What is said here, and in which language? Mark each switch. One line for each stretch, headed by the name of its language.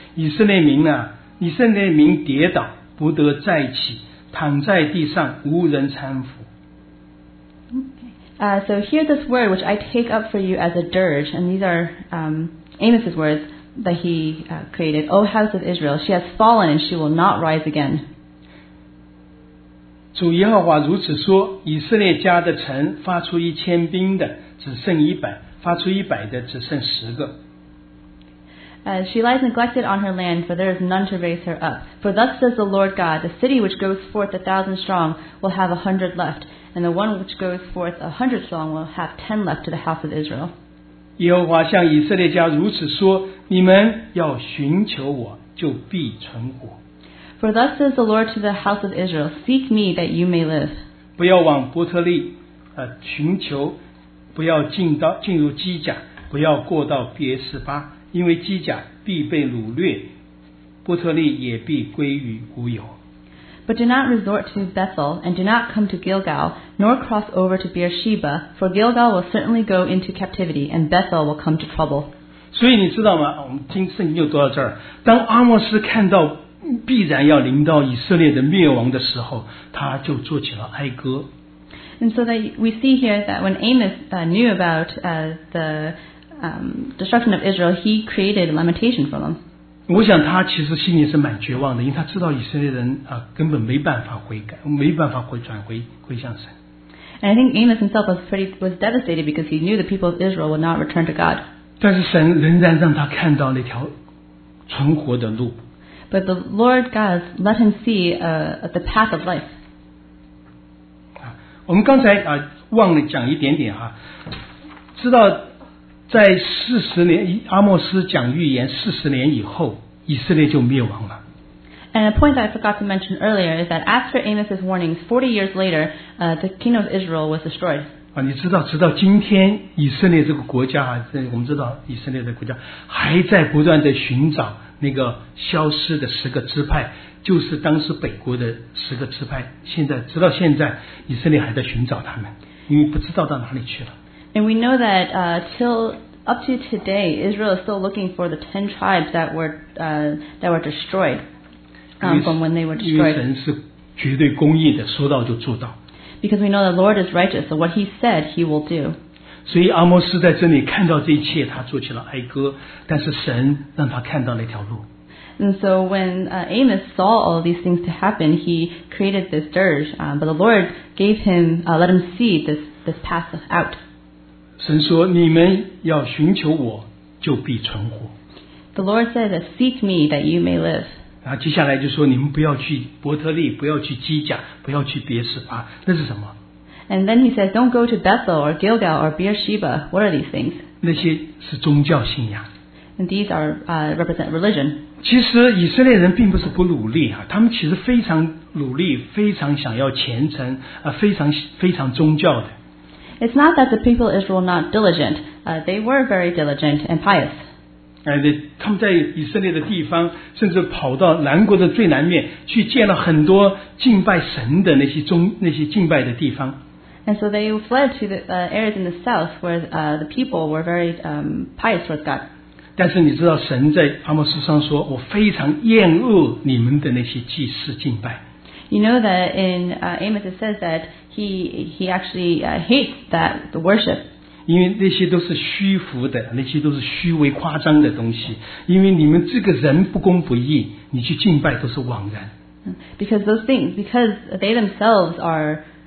Chinese: 以色列民呢，以色列民跌倒，不得再起，躺在地上，无人搀扶。
English: So hear this word which I take up for you as a dirge, and these are Amos' words that he created. O house of Israel, she has fallen and she will not rise again.
Chinese: 主耶和华如此说，以色列家的城发出一千兵的只剩一百，发出一百的只剩十个。
English: She lies neglected on her land, for there is none to raise her up. For thus says the Lord God, the city which goes forth 1,000 strong will have 100 left, and the one which goes forth 100 strong will have 10 left to the house of Israel.
Chinese: 耶和华向以色列家如此说，你们要寻求我，就必存活。
English: For thus says the Lord to the house of Israel, seek me that you may live.
Chinese: 不要往伯特利寻求，不要进入基甲，不要过到别示巴，因为基甲必被掳掠，伯特利也必归于无有。
English: But do not resort to Bethel, and do not come to Gilgal, nor cross over to Beersheba, for Gilgal will certainly go into captivity, and Bethel will come to trouble.
Chinese: 所以你知道吗？我们听圣经就读到这儿。当阿摩斯看到必然要临到以色列的灭亡的时候，他就做起了哀歌。
English: And so that we see here that when Amos knew about the destruction of Israel, he created a lamentation for them.
Chinese: 我想他其实心里是蛮绝望的，因为他知道以色列人根本没办法悔改，没办法回向神。
English: And I think Amos himself was devastated because he knew the people of Israel would not return to God.
Chinese: 但是神仍然让他看到那条存活的路。
English: But the Lord God let him see the path of life.
Chinese: 我们刚才忘了讲一点点哈，知道在四十年阿莫斯讲预言四十年以后，以色列就灭亡了。
English: And a point that I forgot to mention earlier is that after Amos's warnings, 40 years later, the kingdom of Israel was destroyed.
Chinese: 你知道，直到今天，以色列这个国家我们知道以色列的国家还在不断的寻找那个消失的十个支派。就是当时北国的十个支派，现在直到现在，以色列还在寻找他们，因为不知道到哪里去了。
English: And we know that till up to today, Israel is still looking for the 10 tribes that were destroyed from when they were destroyed.
Chinese: 因为神是绝对公义的，说到就做到。
English: Because we know the Lord is righteous, so what He said, He will do.
Chinese: 所以阿摩斯在这里看到这一切，他做起了哀歌，但是神让他看到那条路。
English: And so when Amos saw all these things to happen, he created this dirge, but the Lord gave him, let him see this path out.
Chinese: 神说，你们要寻求我，就必存活。
English: The Lord said, seek me that you may live.
Chinese: 然后接下来就说，你们不要去伯特利，不要去基甲，不要去别示巴，那是什么？
English: And then he said, don't go to Bethel or Gilgal or Beersheba. What are these things?
Chinese: 那些是宗教信仰。
English: And these are represent religion.
Chinese: 其实以色列人并不是不努力他们其实非常努力，非常想要虔诚，非常宗教的。
English: It's not that the people of Israel not diligent. They were very diligent and pious.
Chinese: 他们在以色列的地方，甚至跑到南国的最南面去建了很多敬拜神的那些敬拜的地方。
English: And so they fled to the areas in the south where the people were very pious towards God.
Chinese: 但是你知道神在阿摩斯上说，我非常厌恶你们的那些祭祀敬拜。
English: You know that in Amos it says that he actually hates that the worship.
Chinese: 因为那些都是虚浮的，那些都是虚伪夸张的东西。因为你们这个人不公不义，你去敬拜都是枉然。
English: Because those things, because they themselves are